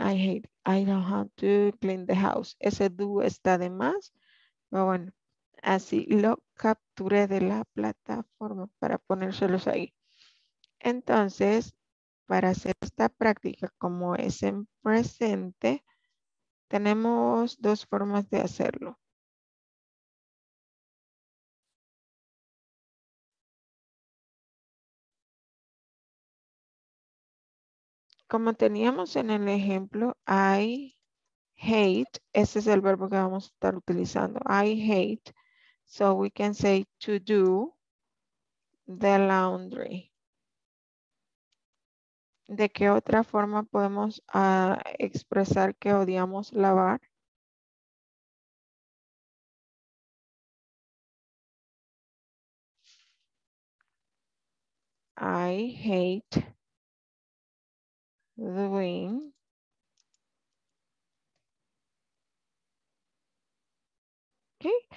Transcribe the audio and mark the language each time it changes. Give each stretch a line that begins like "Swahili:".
English: I hate it. I don't have to clean the house.
Spanish: Ese do está de más. Pero bueno, así lo capturé de la plataforma para ponérselos ahí. Entonces, para hacer esta práctica como es en presente, tenemos dos formas de hacerlo. Como teníamos en el ejemplo,
English: I hate,
Spanish: ese es el verbo que vamos a estar utilizando.
English: I hate, so we can say to do the laundry.
Spanish: ¿De qué otra forma podemos expresar que odiamos lavar?
English: I hate doing okay.